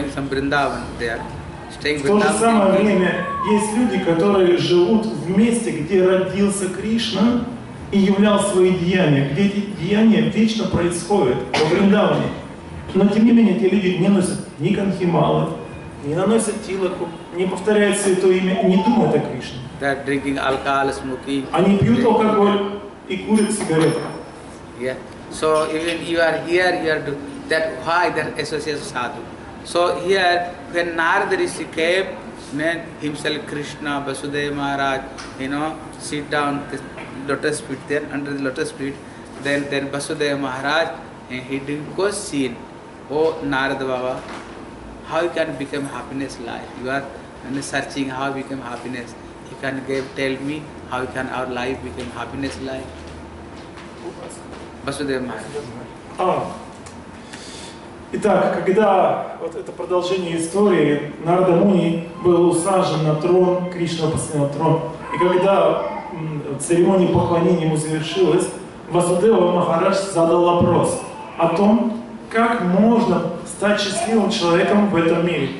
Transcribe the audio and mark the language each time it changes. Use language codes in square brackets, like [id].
[ru] В то же самое время, есть люди, которые живут в месте, где родился Кришна и являл свои деяния, где эти деяния вечно происходят, во Вриндаване. Но тем не менее, эти люди не носят ни канхималы, не наносят тилаку, не повторяют святое имя и не думают о Кришне. [en] That drinking alcohol, smoking. [ru] Они пьют алкоголь и курят сигареты. [en] Yeah. So even you are here, you are doing that. Why that association sadhu? So here, when Narada Rishi came, man himself, Krishna, Vasudeva Maharaj, you know, sit down the lotus feet there, under the lotus feet, then Vasudeva Maharaj, he didn't go see it. Oh, Narada Baba, how you can become happiness life? You are searching how you become happiness. You can tell me how you can our life become happiness life? Vasudeva Maharaj. Oh. [ru] Итак, когда, вот это продолжение истории, Нарада Муни был усажен на трон, Кришна посадил на трон. И когда церемония поклонения ему завершилась, Васудева Махарадж задал вопрос о том, как можно стать счастливым человеком в этом мире.